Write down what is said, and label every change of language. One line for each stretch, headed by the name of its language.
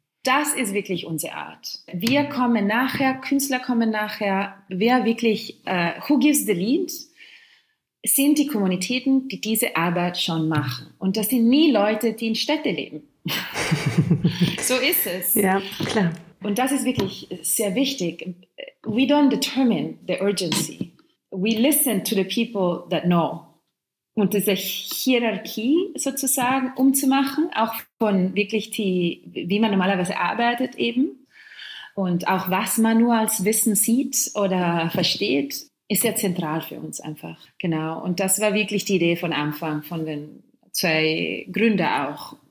German: Das ist wirklich unsere Art. Wir kommen nachher, Künstler kommen nachher. Wer wirklich,
English: who gives the lead,
German: sind die Kommunitäten, die diese Arbeit schon machen. Und das sind nie Leute, die in Städte leben. So ist es. Ja, klar. Und das ist wirklich sehr wichtig.
English: We don't determine the urgency. We listen to the people that know.
German: Und diese Hierarchie sozusagen umzumachen, auch von wirklich die, wie man normalerweise arbeitet eben und auch was man nur als Wissen sieht oder versteht, ist ja zentral für uns einfach. Genau. Und das war wirklich die Idee von Anfang, von den zwei Gründern auch.